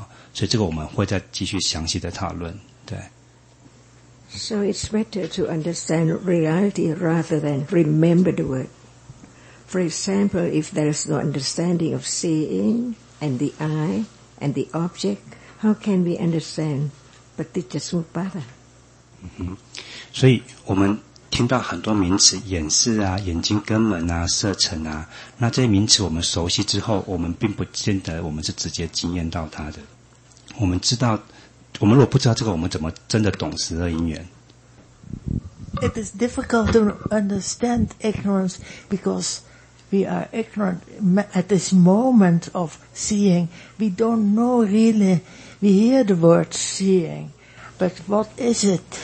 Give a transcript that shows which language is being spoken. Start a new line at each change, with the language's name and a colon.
Chinese: 这边点到另外一个字哦，叫做业啊。那不过它十二因缘里面也一定有含有业力、业报嘛，哈。所以这个我们会再继续详细的讨论。对。
English: So it's better to understand reality rather than remember the word. For example, if there is no understanding of seeing and the eye and the object, how can we understand paticca-samuppada? Mm-hmm.
Chinese: 所以我们听到很多名词，眼视啊、眼睛根本啊、色尘啊，那这些名词我们熟悉之后，我们并不见得我们是直接经验到它的。我们知道，我们如果不知道这个，我们怎么真的懂十二因缘？
English: It is difficult to understand ignorance because we are ignorant at this moment of seeing. We don't know really. We hear the word seeing, but what is it?